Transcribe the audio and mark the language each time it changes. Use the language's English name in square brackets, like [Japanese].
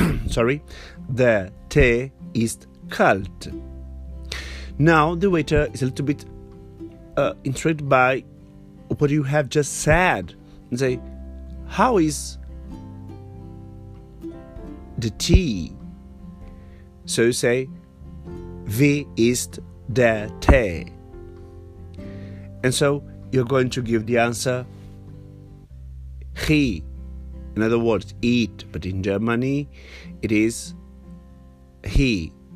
[German] Sorry, der Tee ist kalt. [English] Now the waiter is a little bit intrigued by what you have just said, and say, how is the tea? So you say, [German] wie ist der Tee? [English] And so you're going to give the answer, he. In other words, it, but in Germany it is he.